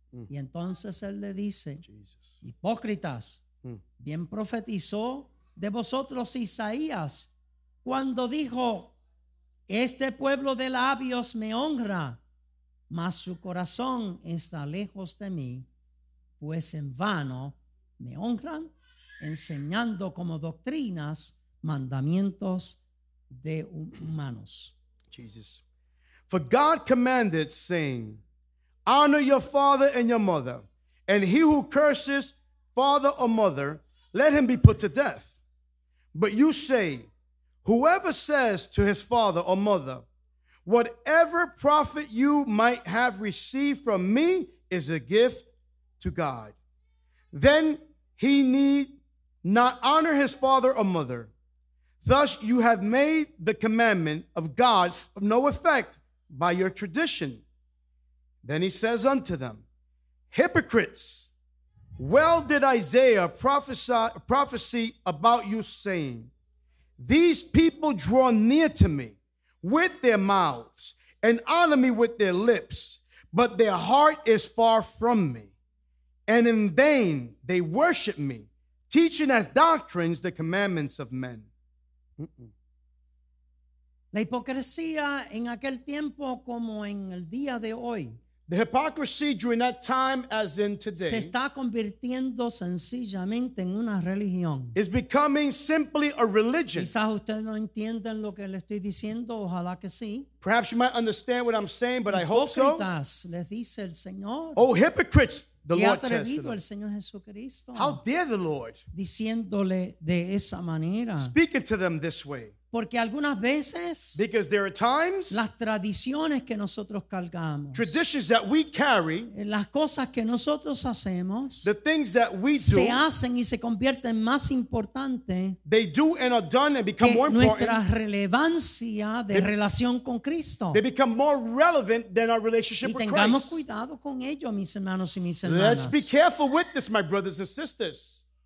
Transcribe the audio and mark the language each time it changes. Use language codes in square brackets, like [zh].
[es] Y entonces él le dice, hipócritas, bien profetizó de vosotros Isaías cuando dijo, este pueblo de labios me honra, mas su corazón está lejos de mí, pues en vano me honran, enseñando como doctrinas mandamientos de humanos. [en] Jesus. For God commanded, saying, honor your father and your mother, and he who curses father or mother, let him be put to death. But you say, whoever says to his father or mother, whatever profit you might have received from me is a gift to God. Then he need not honor his father or mother. Thus you have made the commandment of God of no effect by your tradition. Then he says unto them, hypocrites, well did Isaiah prophesy about you, saying, these people draw near to me with their mouths and honor me with their lips, but their heart is far from me. And in vain they worship me, teaching as doctrines the commandments of men. [es] La hipocresía en aquel tiempo como en el día de hoy. [en] The hypocrisy during that time as in today. [es] Se está convirtiendo sencillamente en una religión. [en] Is becoming simply a religion. [es] Quizás ustedes no entiendan lo que le estoy diciendo, ojalá que sí. [en] Perhaps you might understand what I'm saying, but [es] hypocritas, [en] I hope so. [es] Hipócritas, les dice el Señor. [en] Oh, hypocrites, the Lord says. [es] ¿Qué atrevido el Señor Jesucristo? [en] How dare the Lord? [es] Diciéndole de esa manera. [en] Speaking to them this way. [es] Porque algunas veces, [en] because there are times, [es] las tradiciones que nosotros cargamos, [en] traditions that we carry, [es] las cosas que nosotros hacemos, [en] the things that we do, [es] se hacen y se convierten más importante, [en] they do and are done and become more important, [es] nuestra relevancia de relación con Cristo. [en] They become more relevant than our relationship with Christ. [es] Y tengamos cuidado con ello, mis hermanos y mis hermanas. [en] Let's be careful with this, my brothers and sisters.